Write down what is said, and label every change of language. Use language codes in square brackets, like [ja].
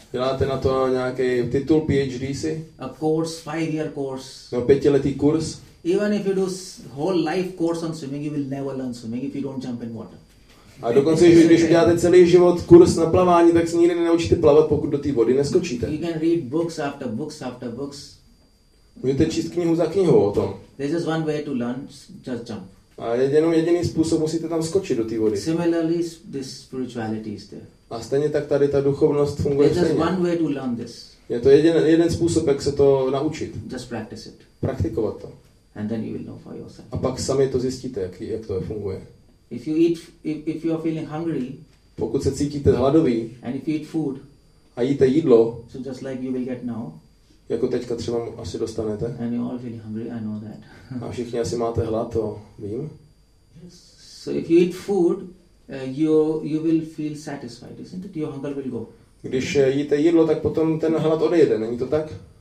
[cs] Děláte na to nějaký titul PhD si? [en] A course, 5-year course. [cs] No, 5-letý kurz. [en] Even if you do whole life course on swimming, you will never learn swimming if you don't jump in water. [cs] A dokonce, že když uděláte celý život kurz na plavání, tak se nikdy nenaučíte plavat, pokud do té vody neskočíte. [en] You can read books after books after books. [cs] Můžete číst knihu za knihou o tom. [en] There's just one way to learn, just jump. [cs] A jediný způsob, musíte tam skočit do té vody. [en] Similarly, this spirituality is there. [cs] A stejně tak tady ta duchovnost funguje stejně. [en] There's just one way to learn this. [cs] Je to jeden způsob, jak se to naučit. [en] Just practice it. [cs] Praktikovat to. [en] And then you will know for yourself. [cs] A pak sami to zjistíte, jak to funguje. [en] If you eat, if you are feeling hungry, [cs] pokud se cítíte hladový, [en] and if you eat food, [cs] a jíte jídlo, [en] so just like you will get now, [cs] jako teďka třeba asi dostanete, [en] and you all feel hungry, I know that. [cs] A všichni asi máte hlad, to vím. [en] So if you eat food, you will feel satisfied, isn't it? Your hunger will go. [cs] Když jíte jídlo, tak potom ten hlad odejde, není to tak?